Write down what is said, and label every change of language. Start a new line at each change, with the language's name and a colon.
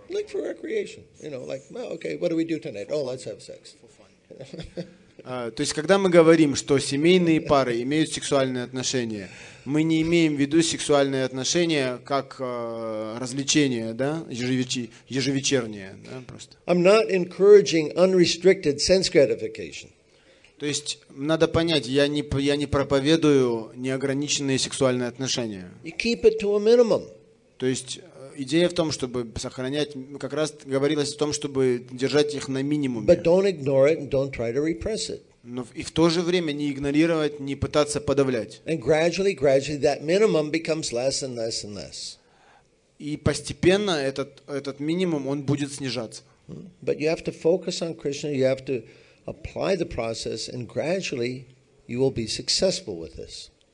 English: Like for recreation, you know, like, well, okay, what do we do tonight? Oh, let's have sex. For fun.
Russian: То есть, когда мы говорим, что семейные пары имеют сексуальные отношения, мы не имеем в виду сексуальные отношения как развлечение, да, ежевечернее, да, просто.
English: I'm not encouraging unrestricted sense gratification.
Russian: То есть, надо понять, я не проповедую неограниченные сексуальные отношения.
English: You keep it to a minimum.
Russian: То есть, идея в том, чтобы сохранять, как раз говорилось о том, чтобы держать их на минимуме.
English: But don't ignore it and don't try to repress it.
Russian: Но и в то же время не игнорировать, не пытаться подавлять.
English: And gradually that minimum becomes less and less and less.
Russian: И постепенно этот минимум, он будет снижаться.
English: But you have to focus on Krishna, you have to apply the process, and gradually you will be successful with this.